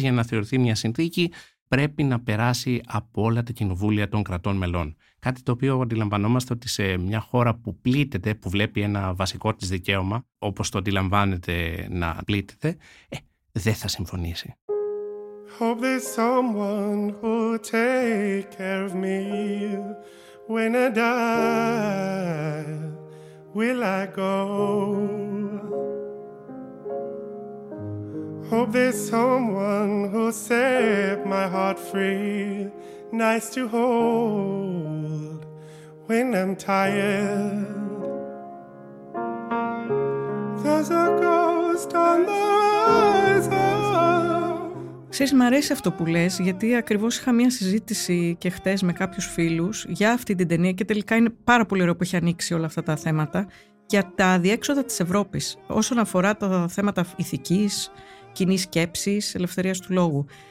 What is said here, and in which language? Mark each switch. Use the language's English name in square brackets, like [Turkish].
[Greek] Για να θεωρηθεί μια συνθήκη, πρέπει να περάσει από όλα τα κοινοβούλια των κρατών μελών. Κάτι το οποίο αντιλαμβανόμαστε ότι σε μια χώρα που πλήττεται, που βλέπει ένα βασικό της δικαίωμα, όπως το αντιλαμβάνεται να πλήττεται, δεν θα συμφωνήσει. [English] Hope there's someone who'll take care of me when I die. Will I go? Hope there's someone who'll set my heart free, nice to hold when I'm tired. There's a ghost on the horizon. [Greek] Ξέρεις, μ' αρέσει αυτό που λες, γιατί ακριβώς είχα μία συζήτηση και χτες με κάποιους φίλους για αυτή την ταινία και τελικά είναι πάρα πολύ ωραίο που έχει ανοίξει όλα αυτά τα θέματα για τα αδιέξοδα της Ευρώπης όσον αφορά τα θέματα ηθικής, κοινής σκέψης, ελευθερίας του λόγου.